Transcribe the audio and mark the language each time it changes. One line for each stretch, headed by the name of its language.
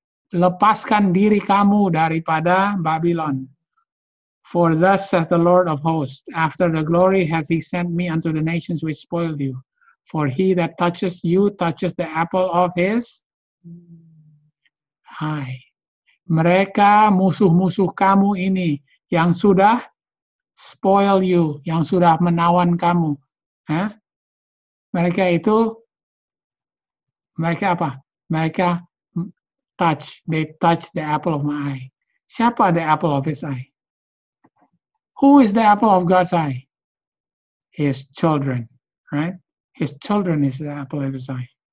Indonesian: Lepaskan diri kamu daripada Babylon.
English: For thus saith the Lord of hosts, after the glory hath he sent me unto the nations which spoiled you. For he that touches you touches the apple of his eye.
Indonesian: Mereka musuh-musuh kamu ini yang sudah
English: spoil you,
Indonesian: yang sudah menawan kamu. Eh? Mereka itu, mereka apa?
English: Mereka touch, they touch the apple of my eye. Siapa the apple of his eye? Who is the apple of God's eye? His children, right? His children is the apple of his eye.